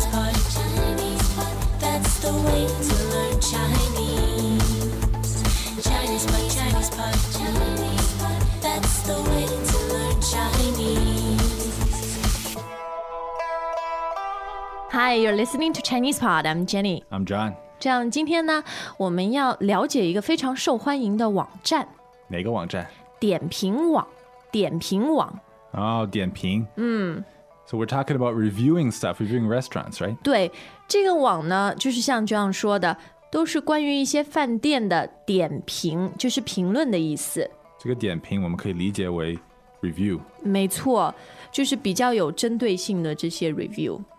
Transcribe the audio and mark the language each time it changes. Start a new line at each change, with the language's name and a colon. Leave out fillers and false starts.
English: the way to learn Chinese. Chinese pot, Chinese pot, Chinese pot. That's the way to learn Chinese. Hi, you're listening to Chinese Pod. I'm Jenny. I'm John.
Chinese: 这样，今天呢，我们要了解一个非常受欢迎的网站。哪个网站？点评网，点评网。哦，点评。嗯。
English: So we're talking about reviewing stuff, reviewing restaurants, right?
Chinese: 对，这个网呢，就是像这样说的，都是关于一些饭店的点评，就是评论的意思。这个点评我们可以理解为 review。没错，就是比较有针对性的这些 review。